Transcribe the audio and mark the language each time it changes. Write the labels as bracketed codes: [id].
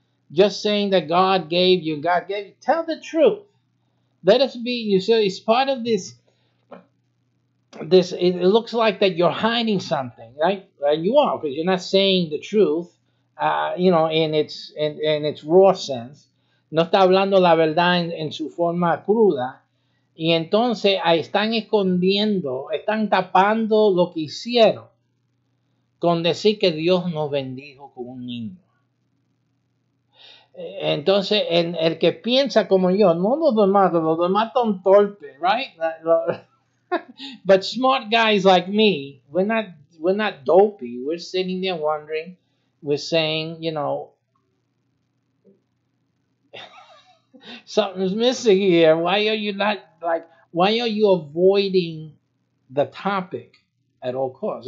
[en] Just saying that God gave you, tell the truth. Let us be, it's part of this, it looks like that you're hiding something, right? You are, because you're not saying the truth, in its raw sense. [es] No está hablando la verdad en su forma cruda. Y entonces están escondiendo, están tapando lo que hicieron con decir que Dios nos bendijo con un niño. Entonces, en el que piensa como yo, no los demás son torpes, right? [en] But smart guys like me, we're not dopey. We're sitting there wondering. We're saying, something's missing here. Why are you not, why are you avoiding the topic at all costs?